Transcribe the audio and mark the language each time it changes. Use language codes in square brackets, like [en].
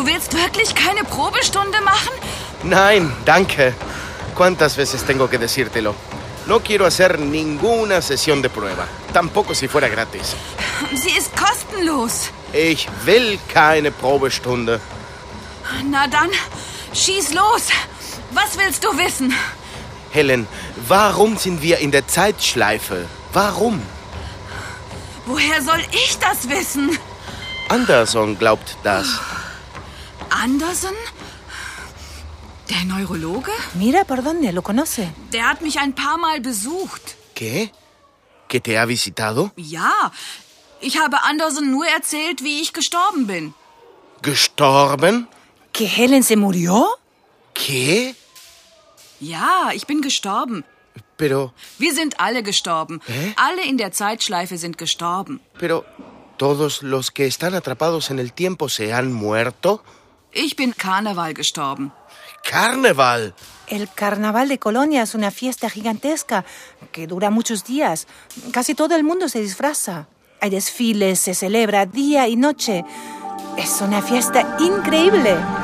[de] Wirklich keine Probestunde machen? Nein, danke. [es] ¿Cuántas veces tengo que decírtelo? No quiero hacer ninguna sesión de prueba. Tampoco si fuera gratis. [de] Sie ist kostenlos. Ich will keine Probestunde. Na dann, schieß los. Was willst du wissen? Helen, warum sind wir in der Zeitschleife? Warum? Woher soll ich das wissen? Anderson glaubt das. Anderson? Der Neurologe? [es] Mira por donde lo conoce. [de] Der hat mich ein paar Mal besucht. [es] ¿Qué? ¿Que te ha visitado? [de] Ja, ich habe Anderson nur erzählt, wie ich gestorben bin. Gestorben? [es] ¿Que Helen se murió? ¿Qué? [de] Ja, ich bin gestorben. [es] Pero... [de] Wir sind alle gestorben. Hä? Alle in der Zeitschleife sind gestorben. [es] Pero todos los que están atrapados en el tiempo se han muerto? [de] Ich bin Karneval gestorben. Karneval? [es] El Carnaval de Colonia es una fiesta gigantesca que dura muchos días. Casi todo el mundo se disfraza. Hay desfiles, se celebra día y noche. Es una fiesta increíble.